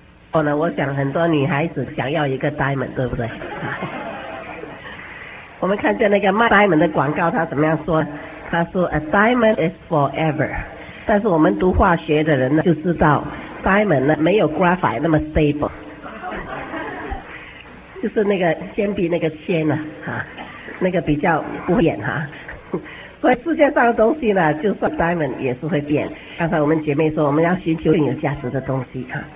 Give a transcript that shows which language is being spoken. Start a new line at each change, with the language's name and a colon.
Chinese: 后呢，我想很多女孩子想要一个 diamond， 对不对？我们看见那个卖 diamond 的广告，他怎么样说？他说 ：
English: “A diamond is forever。”
Chinese: 但是我们读化学的人呢，就知道 diamond 呢没有 graphite 那么 stable， 就是那个铅笔那个铅呢、那个比较不变哈。所以世界上的东西呢，就算 diamond 也是会变。刚才我们姐妹说，我们要寻求更有价值的东西哈。